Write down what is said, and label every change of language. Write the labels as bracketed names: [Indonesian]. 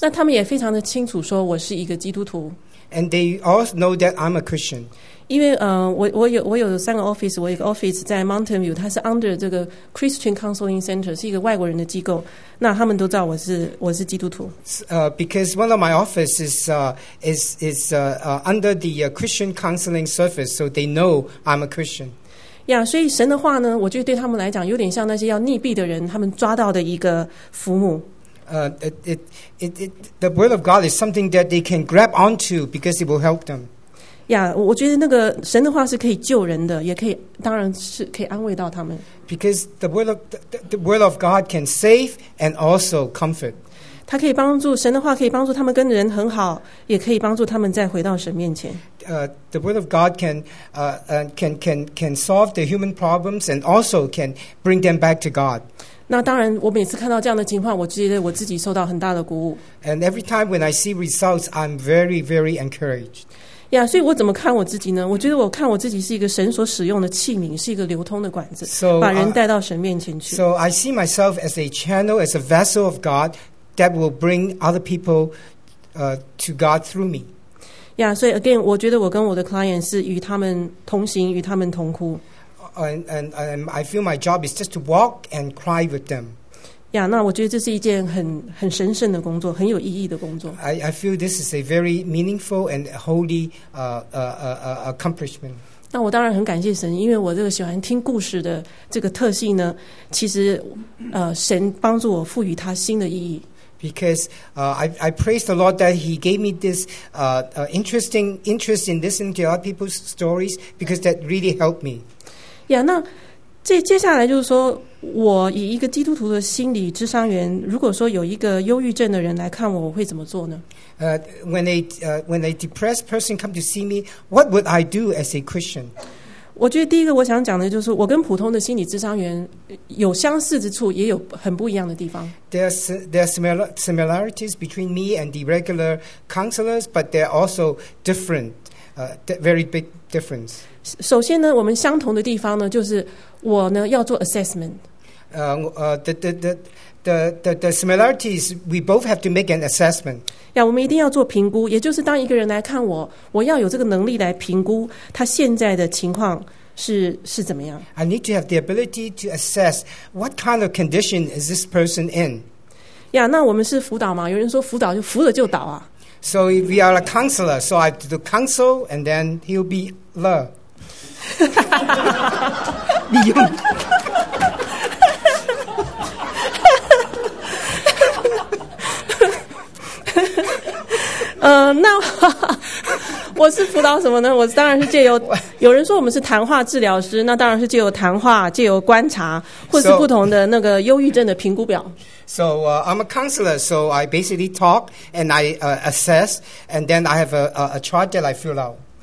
[Chinese] 那他们也非常的清楚说我是一个基督徒。 [English] And they all know that I'm a Christian. [Chinese] 因为我有三个 office， 我有一个 office 在 Mountain View， 它是 under 这个 Christian Counseling Center， 是一个外国人的机构。那他们都知道我是基督徒。 [English] Because one of my offices is under the Christian Counseling Service, so they know I'm a Christian. [Chinese] Yeah, 所以神的话呢，我觉得对他们来讲有点像那些要溺毙的人，他们抓到的一个浮木。 [English] The word of God is something that they can grab onto because it will help them. [Chinese] Yeah, 我觉得那个神的话是可以救人的，也可以，当然是可以安慰到他们。 [English] Because the word of God can save and also comfort. [Chinese] 他可以帮助神的话可以帮助他们跟人很好，也可以帮助他们再回到神面前。 [English] The word of God can solve the human problems and also can bring them back to God. [Chinese] 那当然，我每次看到这样的情况，我觉得我自己受到很大的鼓舞。 [English] And every time when I see results, I'm very, very encouraged. [Chinese] Yeah, 所以我怎么看我自己呢？我觉得我看我自己是一个神所使用的器皿，是一个流通的管子， [English] so, [Chinese] 把人带到神面前去。 [English] So I see myself as a channel, as a vessel of God that will bring other people, to God through me. [Chinese] Yeah, 所以 again, 我觉得我跟我的 client 是与他们同行，与他们同哭。 [English] And I feel my job is just to walk and cry with them. [Chinese] Yeah, 那我觉得这是一件很神圣的工作，很有意义的工作。 [English] I feel this is a very meaningful and holy accomplishment. [Chinese] 那我当然很感谢神，因为我这个喜欢听故事的这个特性呢，其实神帮助我赋予它新的意义。 [English] Because I praise the Lord that He gave me this interesting interest in listening to other people's stories because that really helped me. [Chinese] Yeah, 那这接下来就是说，我以一个基督徒的心理咨商员，如果说有一个忧郁症的人来看我，我会怎么做呢？ [English] When a depressed person come to see me, what would I do as a Christian? [Chinese] 我觉得第一个我想讲的就是，我跟普通的心理咨商员有相似之处，也有很不一样的地方。 [English] There are similarities between me and the regular counselors, but they're also different. Very big difference. [Chinese] 首先呢，我们相同的地方呢，就是我呢要做 assessment. [English] The similarities we both have to make an assessment. [Chinese] 呀，我们一定要做评估，也就是当一个人来看我，我要有这个能力来评估他现在的情况是怎么样。 [English] I need to have the ability to assess what kind of condition is this person in. [Chinese] 呀，那我们是辅导嘛？有人说辅导就扶着就倒啊。 [English] So we are a counselor, so I do counsel, and then he'll be love. [Chinese] 利用。那我是辅导什么呢？我当然是借由有人说我们是谈话治疗师，那当然是借由谈话，借由观察，或是不同的那个忧郁症的评估表。 [English] So I'm a counselor, so I basically talk and I assess, and then I have a chart that I fill out.